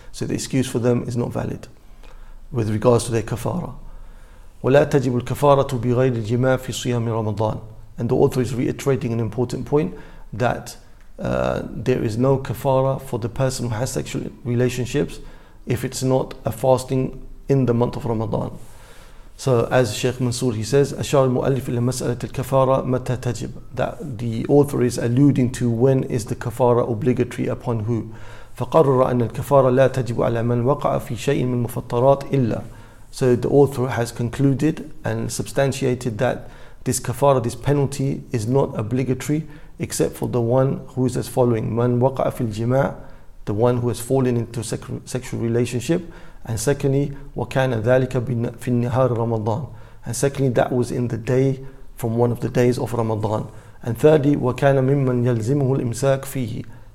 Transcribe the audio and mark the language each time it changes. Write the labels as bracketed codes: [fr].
[en] So the excuse for them is not valid with regards to their kafara. [ar] وَلَا تَجِبُ الْكَفَارَةُ بِغَيْرِ الْجِمَاءِ فِي صِيَامِ رَمَضَانِ. [en] And the author is reiterating an important point that there is no kafara for the person who has sexual relationships if it's not a fasting in the month of Ramadan. So as Sheikh Mansour, he says, [ar] أَشَارَ الْمُؤَلِّفِ إِلَى مَسْأَلَةِ الْكَفَارَةِ مَتَى تَجِبُ. [en] That the author is alluding to when is the kafara obligatory upon who. [ar] فَقَرَّرَ أَنَّ الْكَفَارَةَ لَا تَجِبُ عَلَى مَنْ وَقَعَ فِي شَيْءٍ مِنْ مُفَطَّرَاتِ إِلَّا. [en] So the author has concluded and substantiated that this kafara, this penalty, is not obligatory except for the one who is as following: [ar] man waqa'a fil jima', [en] the one who has fallen into sexual relationship, and secondly, [ar] wa kana dhalika fi nihar ramadan, [en] and secondly, that was in the day from one of the days of Ramadan, and thirdly, [ar] wa kana mimman yalzimuhu al imsak fihi,